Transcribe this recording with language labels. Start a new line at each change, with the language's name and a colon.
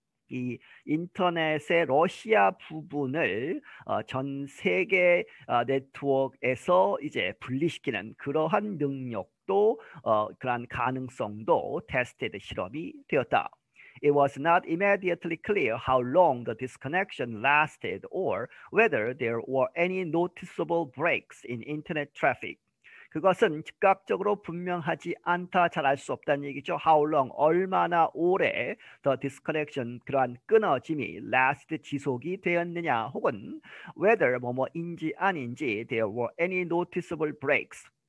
Korean: 이 인터넷의 러시아 부분을 전 세계 네트워크에서 이제 분리시키는 그러한 능력도 그러한 가능성도 테스트에 실험이 되었다.
English: It was not immediately clear how long the disconnection lasted or whether there were any noticeable breaks in internet traffic.
Korean: 그것은 즉각적으로 분명하지 않다, 잘알수 없다는 얘기죠.
English: How long,
Korean: 얼마나 오래
English: the disconnection,
Korean: 그러한 끊어짐이
English: last
Korean: 지속이 되었느냐, 혹은
English: whether
Korean: 뭐뭐인지 아닌지
English: there were any noticeable breaks.